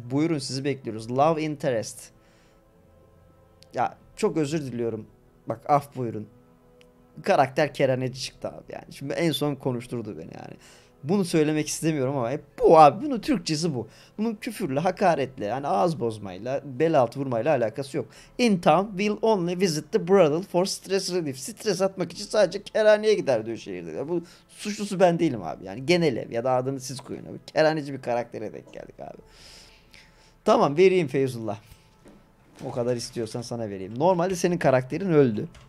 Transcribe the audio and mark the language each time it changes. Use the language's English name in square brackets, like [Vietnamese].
[Turkish] Buyurun sizi bekliyoruz. Love Interest. Ya çok özür diliyorum. Bak af buyurun. Karakter kerenci çıktı abi yani. Şimdi en son konuşturdu beni yani. Bunu söylemek istemiyorum ama hep bu abi. Bunun Türkçesi bu. Bunun küfürle, hakaretle, yani ağız bozmayla, bel altı vurmayla alakası yok. [English] In town will only visit the brothel for stress relief. [Turkish] Stres atmak için sadece kerhaneye gider diyor şehirde. Yani bu suçlusu ben değilim abi. Yani genel ev ya da adını siz koyun abi. Kerhaneci bir karaktere denk geldik abi. Tamam vereyim Feyzullah. O kadar istiyorsan sana vereyim. Normalde senin karakterin öldü.